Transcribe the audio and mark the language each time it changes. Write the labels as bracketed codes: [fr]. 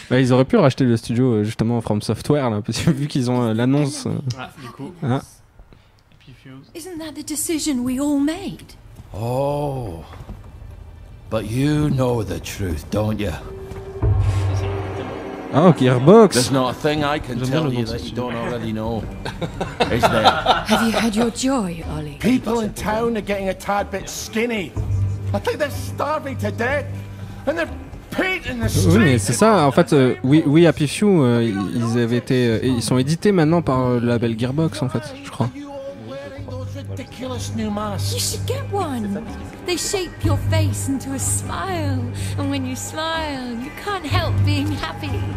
[fr] Bah, ils auraient pu racheter le studio, justement, From Software, là, parce que vu qu'ils ont l'annonce. Ah, du coup... Ah. [en] Isn't that the decision we all made? Oh, but you know the truth, don't you? Oh, Gearbox! There's not a thing I can tell you that you don't already know, is there? Have you had your joy, Ollie? People in town are getting a tad bit skinny. I think they're starving to death, and they're... [fr] Oui, mais c'est ça, en fait, oui, Happy Few, ils avaient été, ils sont édités maintenant par le label Gearbox, en fait, je crois. [en] You should get one. They shape your face into a smile, and when you smile, you can't help being happy.